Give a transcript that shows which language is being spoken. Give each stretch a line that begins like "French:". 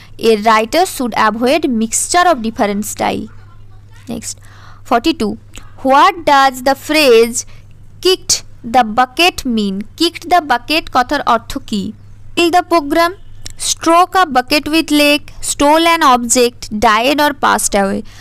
English: A writer should avoid mixture of different style. Next, 42. What does the phrase kicked the bucket mean? Kicked the bucket
Bangla: কথার অর্থ কি?
English: Kill the program, stroke a bucket with leg, stole an object, died or passed away.